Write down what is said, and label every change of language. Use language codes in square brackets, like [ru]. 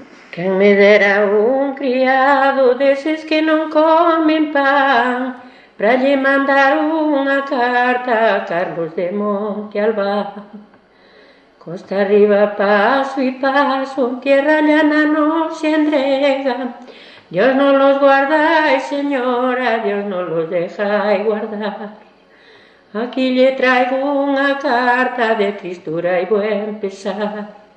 [gl] Que me dera un criado deses que non comen pan, para lle mandar unha carta a Carlos de Monte Albán. [es] Costa arriba paso y paso, tierra llana no se endrega. Dios no los guarda, señora, Dios no los deja guardar. [gl] Aquí lle traigo unha carta [es] de tristura y buen pesar.